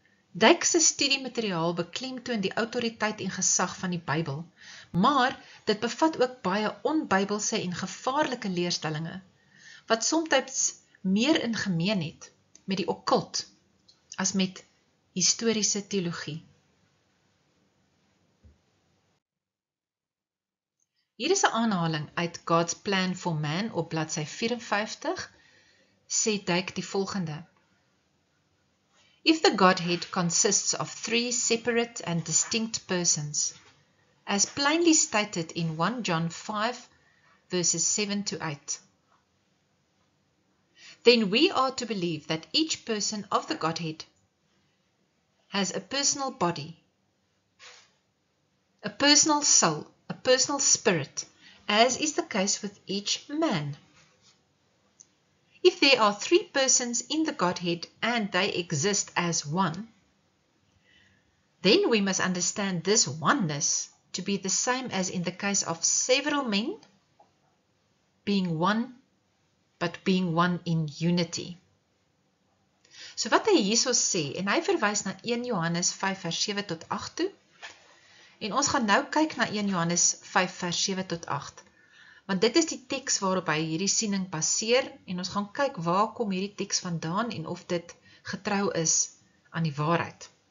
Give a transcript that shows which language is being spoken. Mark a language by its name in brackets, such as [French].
[Afrikaans] Dyke se studiemateriaal beklemtoon die autoriteit en gesag van die Bybel, maar dit bevat ook baie onbybelse en gevaarlike leerstellinge, wat soms meer in gemeen het met die okkult as met historiese teologie. Hier is 'n aanhaling uit God's Plan for Man op bladsy 54, sê Dyke die volgende. [English] If the Godhead consists of three separate and distinct persons, as plainly stated in 1 John 5, verses 7 to 8, then we are to believe that each person of the Godhead has a personal body, a personal soul, a personal spirit, as is the case with each man. If there are three persons in the Godhead and they exist as one, then we must understand this oneness to be the same as in the case of several men being one, but being one in unity. [Afrikaans] So wat hy hierso sê, en hy verwys na 1 Johannes 5 vers 7 tot 8 toe, en ons gaan nou kyk na 1 Johannes 5 vers 7 tot 8, want dit is die teks waarop hy hierdie siening baseer, en ons gaan kyk waar kom hierdie teks vandaan en of dit getrou is aan die waarheid.